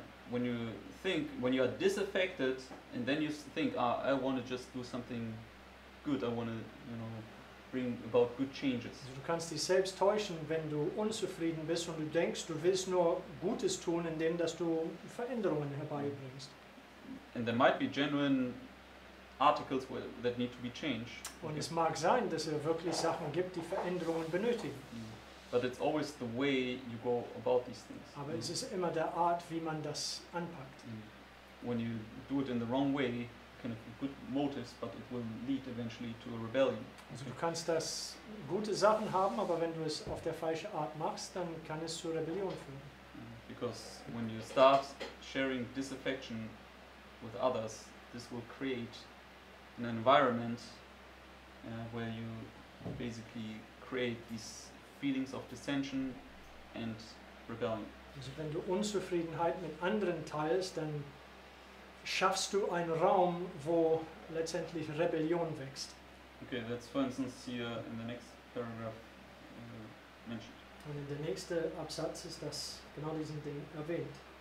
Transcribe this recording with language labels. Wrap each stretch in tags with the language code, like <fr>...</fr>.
<en>When you think, when you are disaffected, and then you think, I want to just do something good. I want to, you know, bring about good changes.</en> <de>Also du kannst dich selbst täuschen, wenn du unzufrieden bist und du denkst, du willst nur Gutes tun, indem dass du Veränderungen herbeibringst.</de> <en>And there might be genuine articles that need to be changed.</en> <de>Und es mag sein, dass es wirklich Sachen gibt, die Veränderungen benötigen.</de> <en>But it's always the way you go about these things.</en> <de>Aber es ist immer der Art, wie man das anpackt.</de> <en>When you do it in the wrong way, kind of good motives, but it will lead eventually to a rebellion.</en> <de>Also du kannst das gute Sachen haben, aber wenn du es auf der falsche Art machst, dann kann es zur Rebellion führen.</de> <en>Because when you start sharing disaffection with others, this will create an environment where you basically create these feelings of dissension and rebellion.</en> <de>Also wenn du Unzufriedenheit mit anderen teilst, dann schaffst du einen Raum, wo letztendlich Rebellion wächst.</de> <en>Okay, that's for instance here in the next paragraph mentioned.</en> <de>Und in der nächste Absatz ist das genau diesen Ding erwähnt.</de>